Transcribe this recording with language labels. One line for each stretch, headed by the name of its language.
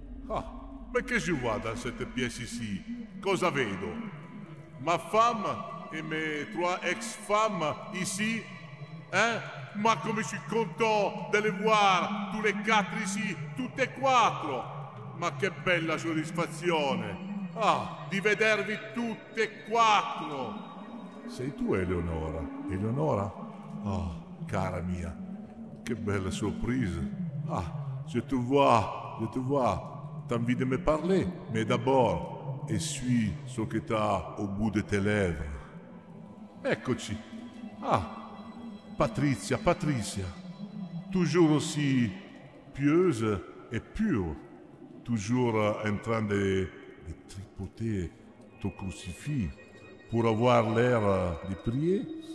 French: Ah, mais que je vois dans cette pièce ici?
Italian: Cosa vedo?
French: Ma femme et mes trois ex-femmes ici? Hein?
Italian: Ma come
French: suis content de les voir tous les quatre ici, toutes
Italian: quattro! Ma che bella soddisfazione! Ah, di vedervi tutte quattro! Sei tu Eleonora? Eleonora? Oh, cara mia, che bella sorpresa!
French: Ah, je te vois, t'as envie de me parler, mais d'abord, essuie
Italian: ce che
French: t'as au bout de tes lèvres.
Italian: Eccoci!
French: Ah! Patrizia, toujours aussi pieuse et pure, toujours en train de tripoter ton crucifix pour avoir l'air de prier.